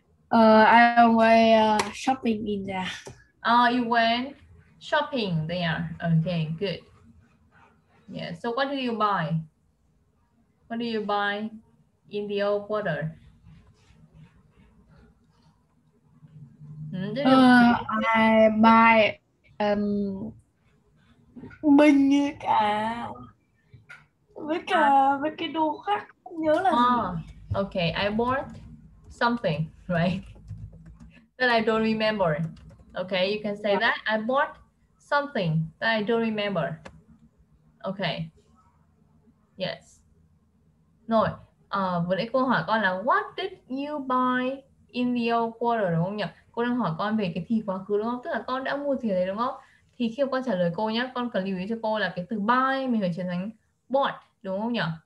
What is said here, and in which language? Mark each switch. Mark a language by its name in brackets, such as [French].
[English] I went shopping in there. You went shopping there. Okay, good. Yeah, so what did you buy? What did you buy in the old quarter? I buy [Vietnamese] bình như cả với cả với cái đồ khác nhớ là [English] okay, I bought something, right? That I don't remember. Okay, you can say that I bought something that I don't remember. Okay. Yes. [Vietnamese] Rồi, vừa nãy cô hỏi con là [English] what did you buy in the old quarter [Vietnamese] đúng không nhỉ? Cô đang hỏi con về cái thì quá khứ đúng không? Tức là con đã mua gì đấy đúng không? Thì khi con trả lời cô nhé, con cần lưu ý cho cô là cái từ buy mình phải chuyển thành bought, đúng không nhỉ?